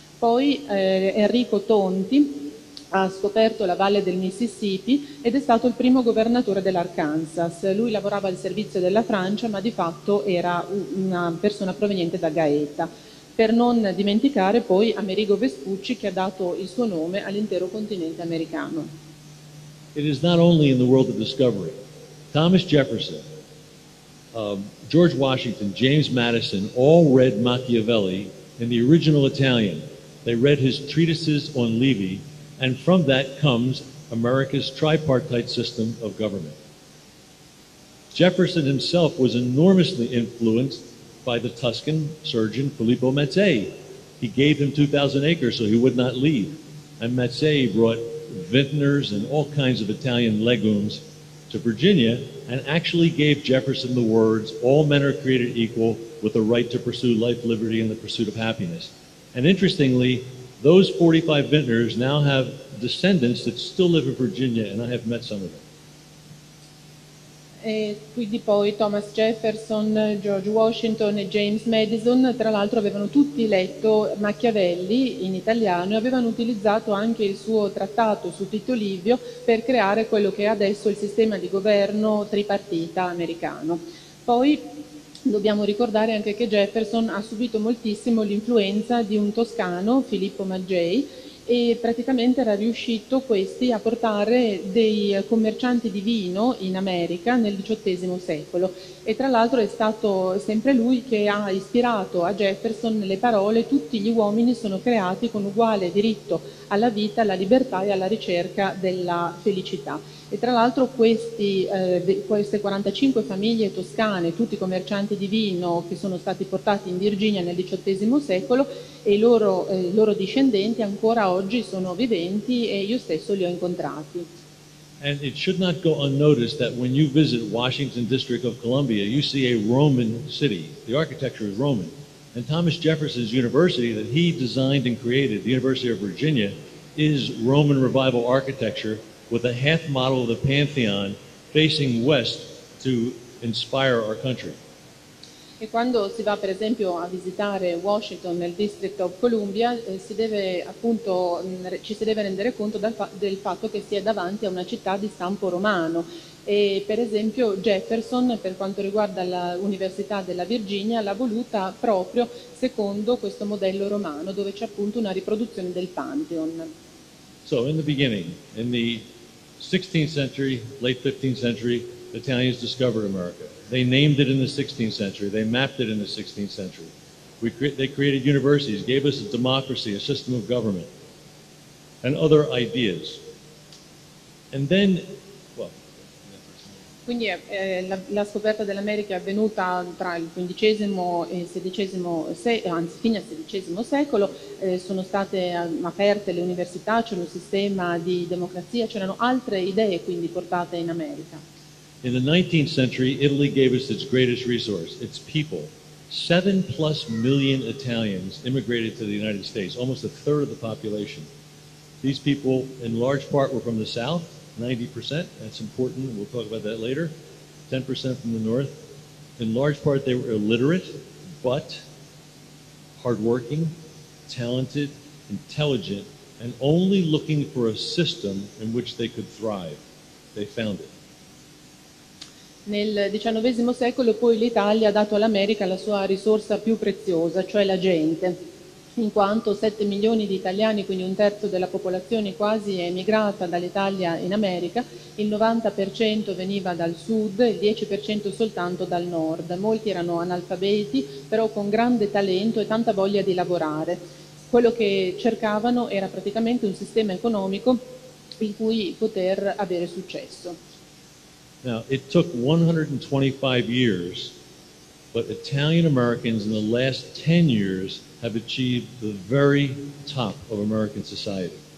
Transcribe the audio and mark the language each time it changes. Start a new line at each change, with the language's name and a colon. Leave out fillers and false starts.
Italian: Poi Enrico Tonti ha scoperto la valle del Mississippi ed è stato il primo governatore dell'Arkansas. Lui lavorava al servizio della Francia, ma di fatto era una persona proveniente da Gaeta. Per non dimenticare poi Amerigo Vespucci, che ha dato il suo nome all'intero continente americano.
English: It is not only in the world of discovery. Thomas Jefferson, George Washington, James Madison all read Machiavelli in the original Italian. They read his treatises on Livy, and from that comes America's tripartite system of government. Jefferson himself was enormously influenced by the Tuscan surgeon Filippo Mazzei. He gave him 2,000 acres so he would not leave, and Mazzei brought vintners and all kinds of Italian legumes to Virginia and actually gave Jefferson the words, "All men are created equal with the right to pursue life, liberty, and the pursuit of happiness." And interestingly, those 45 vintners now have descendants that still live in Virginia, and I have met some of them.
Italian: E quindi poi Thomas Jefferson, George Washington e James Madison, tra l'altro, avevano tutti letto Machiavelli in italiano e avevano utilizzato anche il suo trattato su Tito Livio per creare quello che è adesso il sistema di governo tripartita americano. Poi dobbiamo ricordare anche che Jefferson ha subito moltissimo l'influenza di un toscano, Filippo Maggei, e praticamente era riuscito questi a portare dei commercianti di vino in America nel XVIII secolo. E tra l'altro è stato sempre lui che ha ispirato a Jefferson le parole: tutti gli uomini sono creati con uguale diritto alla vita, alla libertà e alla ricerca della felicità. E tra l'altro queste 45 famiglie toscane, tutti commercianti di vino che sono stati portati in Virginia nel XVIII secolo, e i loro discendenti ancora oggi sono viventi e io stesso li ho incontrati.
English: And it should not go unnoticed that when you visit Washington District of Columbia, you see a Roman city. The architecture is Roman. And Thomas Jefferson's university that he designed and created, the University of Virginia, is Roman Revival architecture, with a half model of the Pantheon facing west to inspire our country.
Italian: E quando si va per esempio a visitare Washington nel District of Columbia, ci si deve rendere conto del fatto che si è davanti a una città di stampo romano. E per esempio Jefferson, per quanto riguarda l'Università della Virginia, l'ha voluta proprio secondo questo modello romano, dove c'è appunto una riproduzione del Pantheon.
English: So in the beginning, in the 16th century, late 15th century, the Italians discovered America. They named it in the 16th century. They mapped it in the 16th century. They created universities, gave us a democracy, a system of government, and other ideas. And then,
Italian: quindi la scoperta dell'America è avvenuta tra il XV e il XVI secolo, anzi fine al XVI secolo, sono state aperte le università, c'era un sistema di democrazia, c'erano altre idee quindi portate in America.
English: In the 19th century, Italy gave us its greatest resource, its people. 7+ million Italians immigrated to the United States, almost a third of the population. These people, in large part, were from the South, 90%, that's important, we'll talk about that later, 10% from the North. In large part, they were illiterate, but hardworking, talented, intelligent, and only looking for a system in which they could thrive. They found it.
Italian: Nel XIX secolo poi l'Italia ha dato all'America la sua risorsa più preziosa, cioè la gente, in quanto 7 milioni di italiani, quindi un terzo della popolazione quasi, è emigrata dall'Italia in America, il 90% veniva dal sud, il 10% soltanto dal nord, molti erano analfabeti, però con grande talento e tanta voglia di lavorare. Quello che cercavano era praticamente un sistema economico in cui poter avere successo.
English: Now, it took 125 years, but Italian Americans in the last 10 years have achieved the very top of American society.